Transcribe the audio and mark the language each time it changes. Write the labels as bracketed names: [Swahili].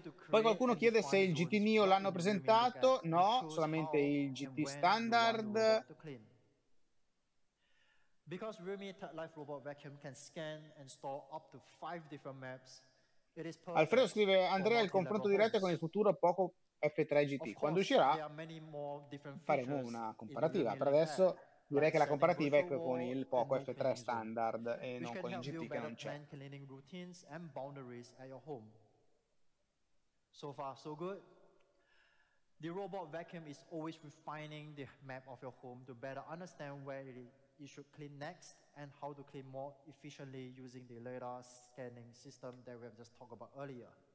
[Italian] Poi qualcuno chiede se il GT Neo l'hanno presentato. No, solamente il GT standard. [English] Because Realme TechLife Robot Vacuum can scan and store up to 5 different maps, it is perfect. [Italian] Alfredo scrive: Andrea, il confronto diretto con il futuro Poco F3 GT. Quando uscirà, faremo una comparativa. Per adesso, direi che la comparativa è con il Poco F3 standard e non con il GT che non c'è. [English] Cleaning routines and boundaries at your home. So far, so good. The robot vacuum is always refining the map of your home to better understand where it is. You should clean next and how to clean more efficiently using the LiDAR scanning system that we have just talked about earlier.